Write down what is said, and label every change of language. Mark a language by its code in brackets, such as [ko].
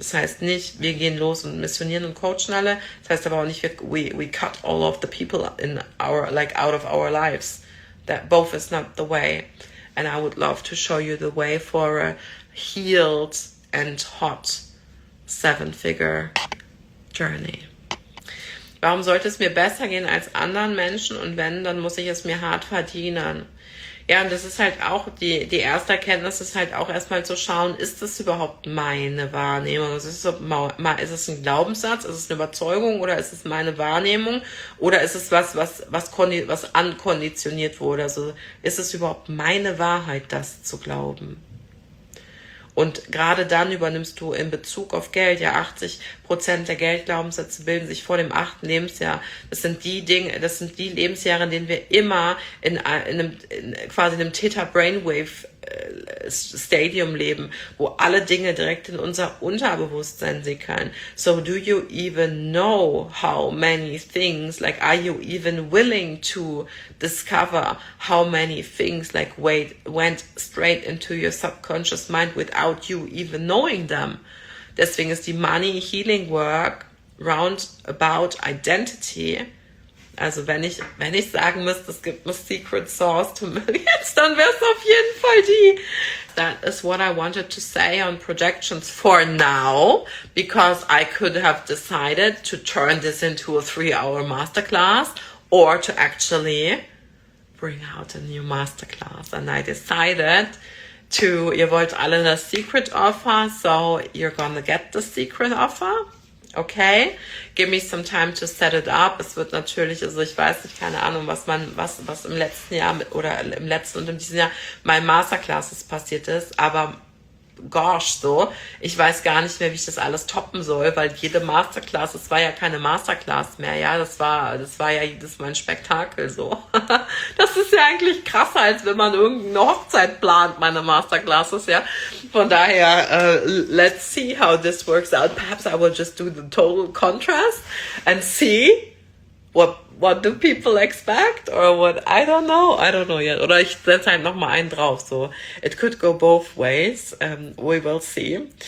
[de] Das heißt nicht, wir gehen los und missionieren und coachen alle. Das heißt aber auch nicht, [en] we cut all of the people in our, like out of our lives. That both is not the way. And I would love to show you the way for a healed and hot seven-figure journey. [de] Warum sollte es mir besser gehen als anderen Menschen? Und wenn, dann muss ich es mir hart verdienen. Ja, und das ist halt auch die erste Erkenntnis, ist halt auch erstmal zu schauen, ist das überhaupt meine Wahrnehmung? Ist es ein Glaubenssatz? Ist es eine Überzeugung? Oder ist es meine Wahrnehmung? Oder ist es was ankonditioniert wurde? Also ist es überhaupt meine Wahrheit, das zu glauben? Und gerade dann übernimmst du in Bezug auf Geld ja 80 Prozent der Geldglaubenssätze bilden sich vor dem 8. Lebensjahr. Das sind die Dinge, das sind die Lebensjahre, in denen wir immer in einem Theta-Brainwave-Stadium leben, wo alle Dinge direkt in unser Unterbewusstsein sickern. [en] So do you even know how many things, like are you even willing to discover how many things like went straight into your subconscious mind without you even knowing them? [de] Deswegen ist die [en] Money Healing Work round about identity. [de] Also wenn ich sagen müsste, es gibt eine [en] Secret Source to Millions, [de] dann wäre es auf jeden Fall die. [en] That is what I wanted to say on projections for now, because I could have decided to turn this into a 3-hour masterclass or to actually bring out a new masterclass. And I decided to, [de] ihr wollt alle das Secret Offer, [en] so you're gonna get the Secret Offer. Okay, give me some time to set it up. [de] Es wird natürlich, also ich weiß nicht, keine Ahnung, was im letzten Jahr oder im letzten und in diesem Jahr mein Masterclasses passiert ist, aber gosh, so, ich weiß gar nicht mehr, wie ich das alles toppen soll, weil jede Masterclass, es war ja keine Masterclass mehr, ja, das war ja jedes Mal ein Spektakel, so. Das ist ja eigentlich krasser, als wenn man irgendeine Hochzeit plant, meine Masterclasses, ja. [en] Von daher, let's see how this works out. Perhaps I will just do the total contrast and see what do people expect or what, I don't know yet. [de] Oder ich setze halt nochmal einen drauf, so. [en] It could go both ways, we will see.